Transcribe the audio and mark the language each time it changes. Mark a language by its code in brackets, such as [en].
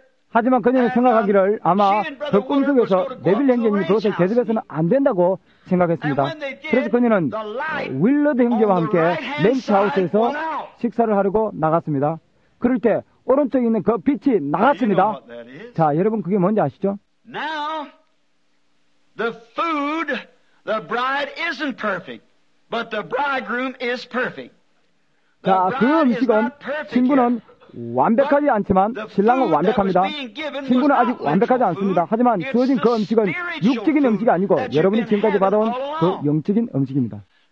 [ko] 하지만 그녀는 생각하기를 아마 그 꿈속에서 네빌 형제님이 그것을 대접해서는 안 된다고 생각했습니다. 그래서 그녀는 윌러드 형제와 함께 렌치하우스에서 식사를 하려고 나갔습니다. 그럴 때 오른쪽에 있는 그 빛이 나갔습니다. 자, 여러분 그게 뭔지 아시죠? [en] Now, the food, the bride isn't perfect, but the bridegroom is perfect. [ko] 자, 그 음식은 신부는 완벽하지 않지만 신랑은 완벽합니다. 신부는 아직 완벽하지 않습니다. 하지만 주어진 그 음식은 육적인 음식이 아니고 여러분이 지금까지 받아온 그 영적인 음식입니다.